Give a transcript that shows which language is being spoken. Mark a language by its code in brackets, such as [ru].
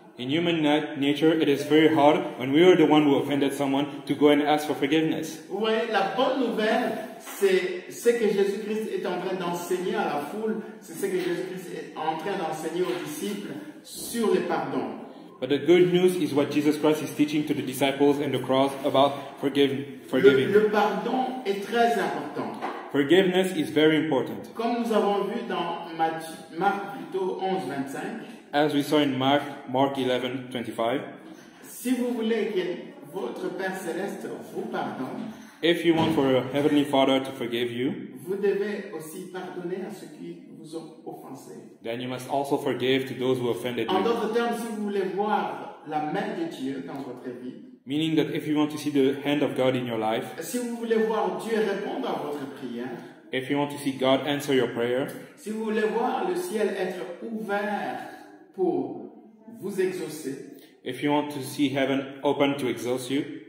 [en] In human nature, it is very hard when we are the one who offended someone to go and ask for forgiveness. [fr] Oui, la bonne nouvelle, c'est ce que Jésus-Christ est en train d'enseigner à la foule, c'est ce que Jésus-Christ est en train d'enseigner aux disciples sur le pardon. [en] But the good news is what Jesus Christ is teaching to the disciples and the cross about forgiving. [fr] Le pardon est très important. [en] Forgiveness is very important. [fr] Comme nous avons vu dans Marc plutôt 11:25. [en] As we saw in Mark 11:25. [fr] Si vous voulez que votre Père céleste vous pardonne. [en] If you want for your Heavenly Father to forgive you. [fr] Vous devez aussi pardonner à ceux qui vous ont offensé. [en] Then you must also forgive to those who offended you. [fr] En d'autres termes, si vous voulez voir la main de Dieu dans votre vie. [en] Meaning that if you want to see the hand of God in your life. [fr] Si vous voulez voir Dieu répondre à votre prière. [en] If you want to see God answer your prayer. [fr] Si vous voulez voir le ciel être ouvert pour vous exaucer. [en] If you want to see heaven open to exhaust you.